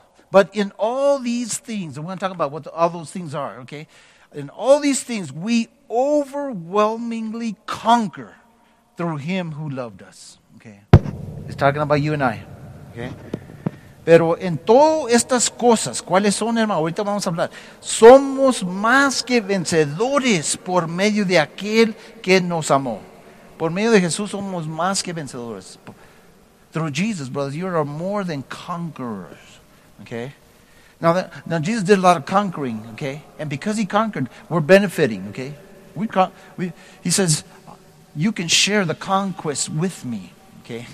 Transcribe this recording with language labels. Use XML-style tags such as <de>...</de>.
<en>But in all these things, we're going to talk about what all those things are, okay? In all these things, we overwhelmingly conquer through him who loved us. Okay. He's talking about you and I. Okay.</en> <es>Pero en todas estas cosas, ¿cuáles son, hermano? Ahorita vamos a hablar. Somos más que vencedores por medio de aquel que nos amó. Por medio de Jesús somos más que vencedores.</es> <en>Through Jesus, brothers, you are more than conquerors. Okay. Now Jesus did a lot of conquering, okay? And because he conquered, we're benefiting, okay? He says, you can share the conquest with me, okay?</en>